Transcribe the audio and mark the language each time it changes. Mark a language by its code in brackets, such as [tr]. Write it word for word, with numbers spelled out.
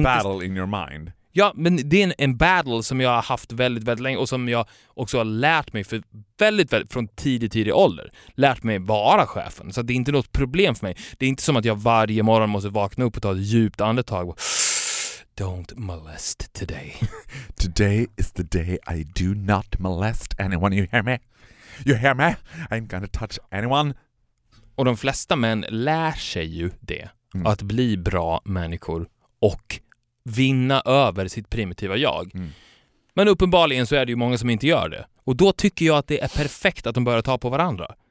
[en] battle in your mind. [sv] Ja, men det är en, en battle som jag har haft väldigt, väldigt länge och som jag också har lärt mig för väldigt, väldigt från tidig, tidig ålder. Lärt mig vara chefen. Så det är inte något problem för mig. Det är inte som att jag varje morgon måste vakna upp och ta ett djupt andetag och... [en] Don't molest today. Today is the day I do not molest anyone. You hear me? You hear me? I'm gonna touch anyone. [sv] Och de flesta män lär sig ju det. Mm. Att bli bra människor och vinna över sitt primitiva jag. Mm. Men uppenbarligen så är det ju många som inte gör det. Och då tycker jag att det är perfekt att de börjar ta på varandra.